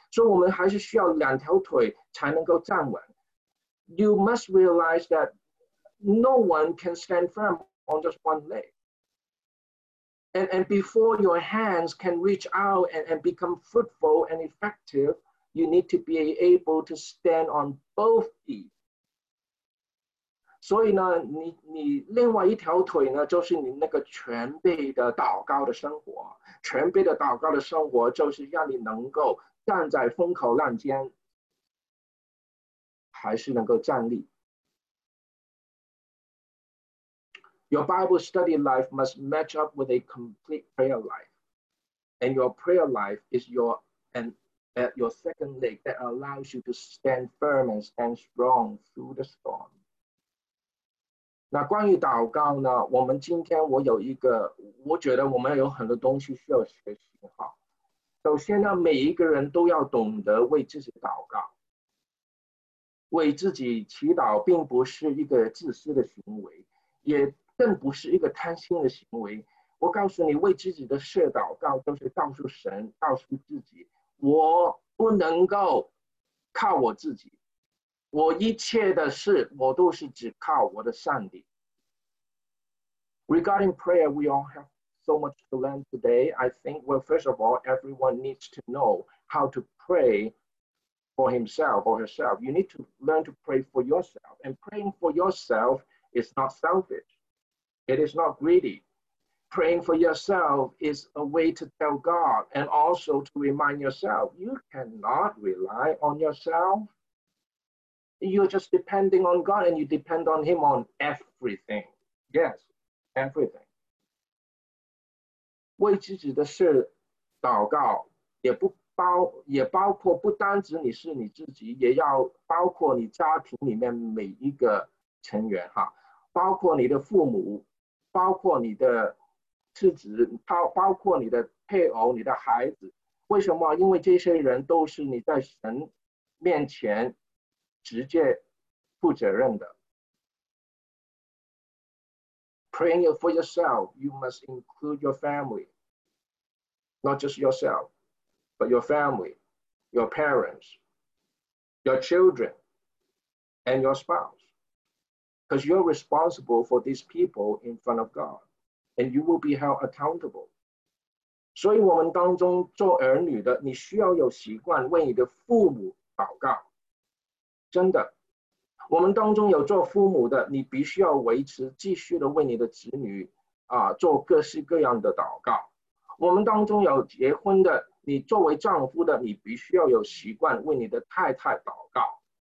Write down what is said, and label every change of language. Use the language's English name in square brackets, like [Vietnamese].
[Chinese] 所以我们还是需要两条腿才能够站稳。 [English] You must realize that no one can stand firm on just one leg. And before your hands can reach out and become fruitful and effective, you need to be able to stand on both feet. [Chinese] 所以呢 你另外一条腿呢就是你那个全备的祷告的生活。全备的祷告的生活就是让你能够站在风口浪尖还是能够站立。 [English] Your Bible study life must match up with a complete prayer life. And your prayer life is your second leg that allows you to stand firm and stand strong through the storm. [Chinese] 那关于祷告呢，我们今天我有一个，我觉得我们有很多东西需要学习哈。首先呢，每一个人都要懂得为自己祷告。为自己祈祷并不是一个自私的行为，也更不是一个贪心的行为。我告诉你，为自己的事祷告就是告诉神，告诉自己，我不能够靠我自己，我一切的事我都是只靠我的上帝。 [English] Regarding prayer, we all have so much to learn today. I think, well, first of all, everyone needs to know how to prayfor himself or herself. You need to learn to pray for yourself. And praying for yourself is not selfish. It is not greedy. Praying for yourself is a way to tell God and also to remind yourself, you cannot rely on yourself. You're just depending on God and you depend on him on everything. Yes, everything. [Chinese] 为自己的事祷告也不也包括不单只你是你自己，也要包括你家庭里面每一个成员哈，包括你的父母，包括你的妻子，包括你的配偶，你的孩子。为什么？因为这些人都是你在神面前直接负责任的。 [English] Praying for yourself, you must include your family, not just yourself. But your family, your parents, your children, and your spouse. Because you're responsible for these people in front of God, and you will be held accountable. [Chinese] 所以我们当中做儿女的，你需要有习惯为你的父母祷告。真的，我们当中有做父母的，你必须要维持继续的为你的子女啊做各式各样的祷告。我们当中有结婚的，你作为丈夫的，你必须要有习惯为你的太太祷告。